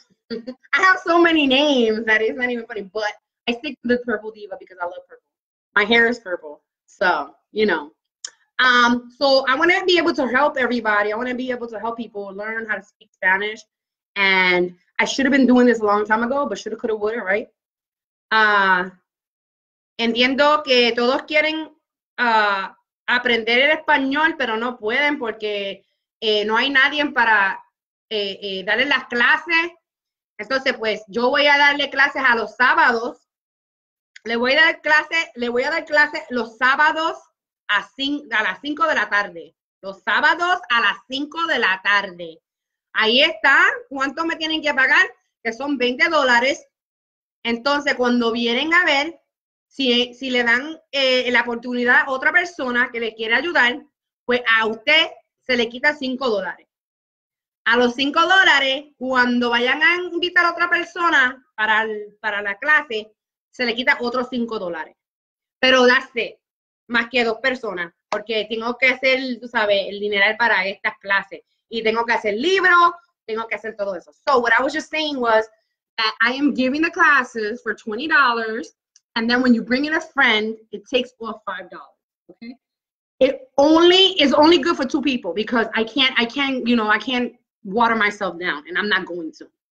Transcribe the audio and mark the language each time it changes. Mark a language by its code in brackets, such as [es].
[en] I have so many names that it's not even funny, but I stick to the Purple Diva because I love purple. My hair is purple. So, you know. So I want to be able to help everybody. I want to be able to help people learn how to speak Spanish. And I should have been doing this a long time ago, but shoulda, coulda, woulda, right? [es] Entiendo que todos quieren aprender el español, pero no pueden porque no hay nadie para darle las clases. Entonces, pues, yo voy a darle clases a los sábados. Le voy a dar clases los sábados a las 5 de la tarde. Los sábados a las 5 de la tarde. Ahí está. ¿Cuánto me tienen que pagar? Que son $20. Entonces, cuando vienen a ver, si le dan la oportunidad a otra persona que le quiere ayudar, pues a usted se le quita $5. A los $5, cuando vayan a invitar a otra persona para la clase, se le quita otros $5. Pero darse más que dos personas, porque tengo que hacer, tú sabes, el dinero para estas clases. Y tengo que hacer libro, tengo que hacer todo eso. [en] So what I was just saying was that I am giving the classes for $20. And then when you bring in a friend, it takes off $5. Okay. It only is only good for two people because I can't water myself down. And I'm not going to.